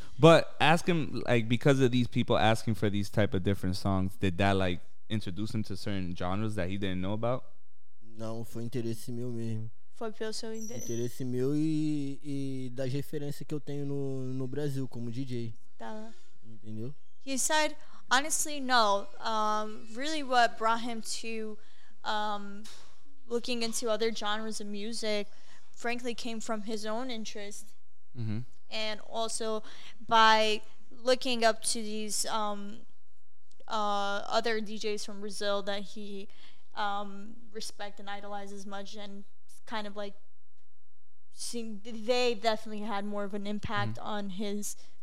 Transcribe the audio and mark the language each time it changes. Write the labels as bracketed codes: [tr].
[en] But ask him, like, because of these people asking for these type of different songs, did that, like, introduce him to certain genres that he didn't know about? [pt] Não, foi interesse meu mesmo. Foi pelo seu interesse meu e das referências que eu tenho no Brasil como DJ. Tá. Entendeu? [en] He said, honestly, no. Really what brought him to looking into other genres of music, frankly, came from his own interest. Mm-hmm. And also by looking up to these other DJs from Brazil that he respect and idolizes as much, and kind of like seeing, they definitely had more of an impact on his